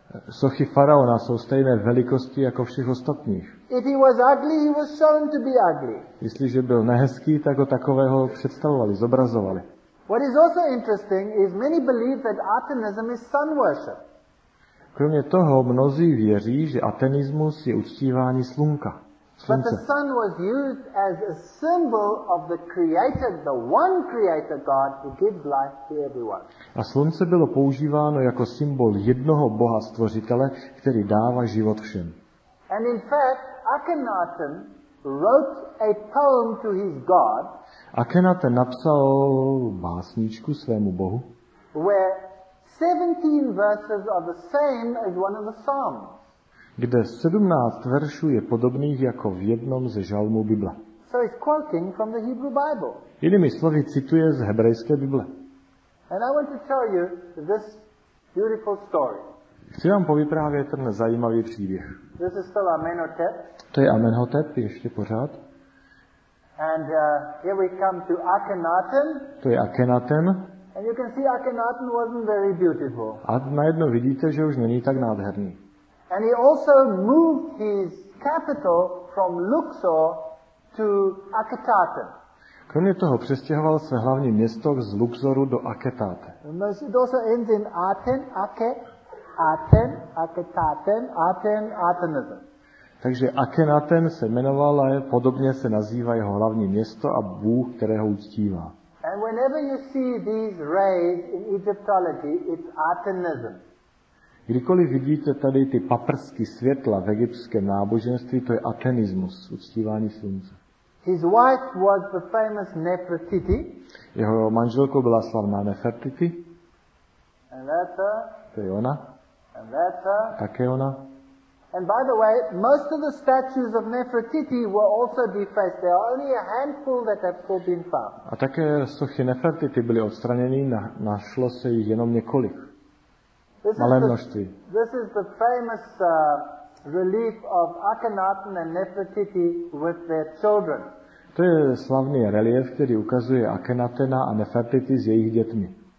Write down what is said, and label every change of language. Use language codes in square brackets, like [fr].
[cs] Sochy faraona jsou stejné velikosti jako všech ostatních. [en] If he was ugly, he was shown to be ugly. [cs] Jestliže byl nehezký, tak ho takového představovali, zobrazovali. [en] What is also interesting is many believe that Artemism is sun worship. [cs] Kromě toho mnozí věří, že Artemismus je uctívání slunka. [en] But the sun was used as a symbol of the creator, the one creator God who gives life to everyone. [cs] A slunce bylo používáno jako symbol jednoho Boha stvořitele, který dává život všem. [en] And in fact, Akhenaten wrote a poem to his God. [cs] Akhenaten napsal básničku svému Bohu. [en] Where 17 verses are the same as one of the psalms. [cs] Kde 17 veršů je podobných jako v jednom ze žalmů Bible. [en] So he's quoting from the Hebrew Bible. [cs] Jinými slovy cituje z hebrejské Bible. [en] And I want to tell you this beautiful story. [cs] Chci vám povyprávět ten zajímavý příběh. [en] This is still Amenhotep. [cs] To je Amenhotep, ještě pořád. [en] And here we come to Akhenaten. [cs] To je Akhenaten. [en] And you can see Akhenaten wasn't very beautiful. [cs] A najednou vidíte, že už není tak nádherný. [en] And he also moved his capital from Luxor to Akhetaten. [cs] Kromě toho přestěhoval své hlavní město z Luxoru do Akhetaten. [en] It also ends in Aten, Akhetaten, Akhetaten, Aten, Atenism. [cs] Takže Akhenaten se jmenoval a podobně se nazývá jeho hlavní město a bůh, kterého uctívá. [en] And whenever you see these rays in Egyptology, it's Atenism. [cs] Kdykoliv vidíte tady ty paprsky světla v egyptském náboženství, to je Atenismus, uctívání slunce. [en] His wife was the famous Nefertiti. [cs] Jeho manželkou byla slavná Nefertiti. [en] And that's her. [cs] To je ona. [en] And that's her. [cs] Také ona. [en] And by the way, most of the statues of Nefertiti were also defaced. There are only a handful that have still been found. [cs] A také sochy Nefertiti byly odstraněny, našlo se jich jenom několik. Malé množství. [en] This is the famous relief of Akhenaten and Nefertiti with their children. [cs] To je slavný relief, který ukazuje Akhenatena a Nefertiti s jejich dětmi.